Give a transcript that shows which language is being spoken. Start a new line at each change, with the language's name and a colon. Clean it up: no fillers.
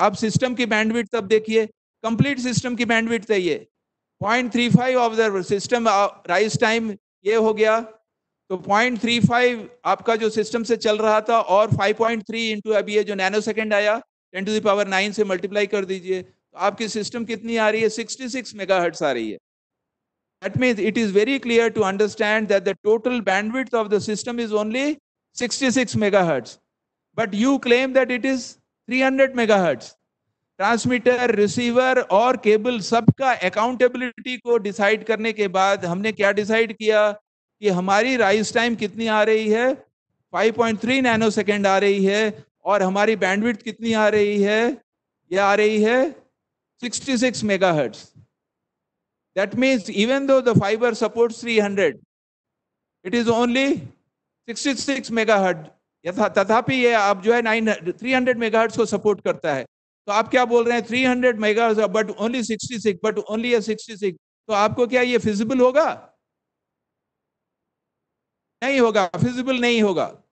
Hindi: अब सिस्टम की बैंडविड्थ, अब देखिए कंप्लीट सिस्टम की बैंडविड्थ है ये 0.35 ऑब्जर्वर सिस्टम राइज टाइम ये हो गया, तो 0.35 आपका जो सिस्टम से चल रहा था और 5.3 into अभी ये जो नैनो सेकेंड आया 10^9 से मल्टीप्लाई कर दीजिए, तो आपकी सिस्टम कितनी आ रही है, 66 MHz आ रही है।
English: That means it is very clear to understand that the total bandwidth of the system is only 66 megahertz. But you claim that it is 300 megahertz.
Hindi: Transmitter, receiver और cable सबका accountability को decide करने के बाद हमने क्या decide किया कि हमारी rise time कितनी आ रही है, 5.3 nanosecond आ रही है, और हमारी bandwidth कितनी आ रही है, ये आ रही है 66 megahertz.
English: That means even though the fiber supports 300, it is only 66 megahertz.
Hindi: तथापि ये आप जो है 300 megahertz को सपोर्ट करता है, तो आप क्या बोल रहे हैं 300 megahertz but only 66, तो आपको क्या ये फिजिबल होगा? नहीं होगा, फिजिबल नहीं होगा।